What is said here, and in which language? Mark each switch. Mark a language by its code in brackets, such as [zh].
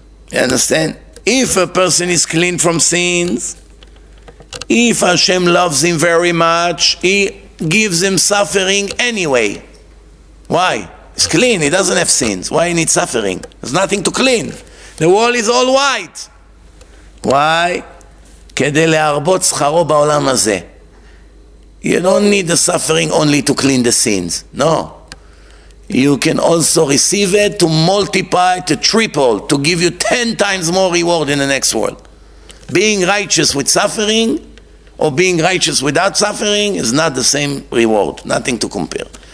[en] You understand? If a person is clean from sins, if Hashem loves him very much, he gives him suffering anyway. Why? He's clean. He doesn't have sins. Why he needs suffering? There's nothing to clean. The wall is all white. Why? [he] כדי להרבות שכרו בעולם הזה. [en] You don't need the suffering only to clean the sins. No. You can also receive it to multiply, to triple, to give you 10 times more reward in the next world. Being righteous with suffering or being righteous without suffering is not the same reward. Nothing to compare.